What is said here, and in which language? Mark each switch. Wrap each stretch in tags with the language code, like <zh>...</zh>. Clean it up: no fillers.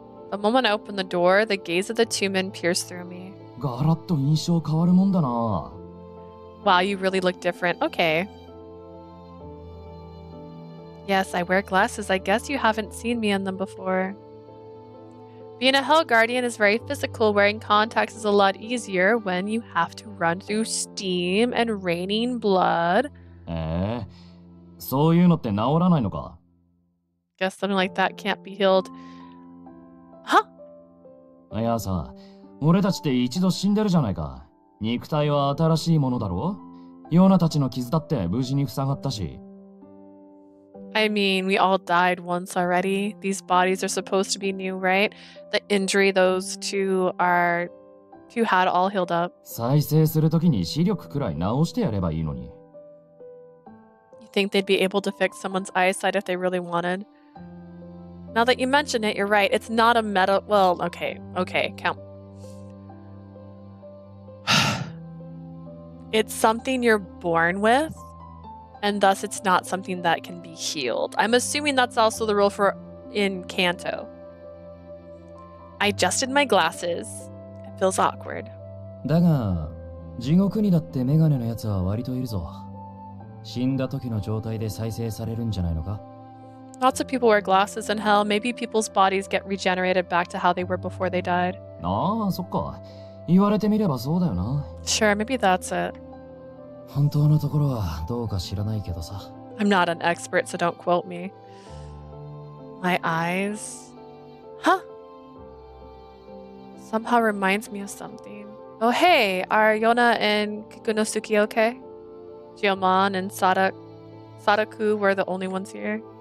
<en>The moment I opened the door, the gaze of the two men pierced through me.</en> <ja>ガラッと印象変わるもんだな。</ja> <en>Wow, you really look different. Okay. Yes, I wear glasses. I guess you haven't seen me in them before. Being a Hell Guardian is very physical. Wearing contacts is a lot easier when you have to run through steam and raining blood.</en> <ja>そういうのって治らないのか?</ja> <en>Guess something like that can't be healed. Huh?</en> <ja>いやさ、俺たちって一度死んでるじゃないか。肉体は新しいものだろ? ヨナたちの傷だって無事に塞がったし。</ja> <en>I mean, we all died once already. These bodies are supposed to be new, right? The injury those two had all healed up.</en> <ja>再生するときに視力くらい直してやればいいのに。</ja> <en>You think they'd be able to fix someone's eyesight if they really wanted? Now that you mention it, you're right. It's not a metal... Well, okay. Okay, count. It's something you're born with, and thus it's not something that can be healed. I'm assuming that's also the rule for in Kanto. I adjusted my glasses. It feels awkward.</en> <ja>だが、地獄にだってメガネのやつは割といるぞ。死んだ時の状態で再生されるんじゃないのか?</ja> <en>Lots of people wear glasses in hell. Maybe people's bodies get regenerated back to how they were before they died.</en> <ja>ああ、そっか。言われてみればそうだよな。</ja> <en>Sure, maybe that's it.</en> <ja>本当のところはどうか知らないけどさ。</ja> <en>I'm not an expert, so don't quote me. My eyes... Huh? Somehow reminds me of something. Oh, hey, are Yona and Kikunosuke okay? Jiomon and Sadaku were the only ones here.</en>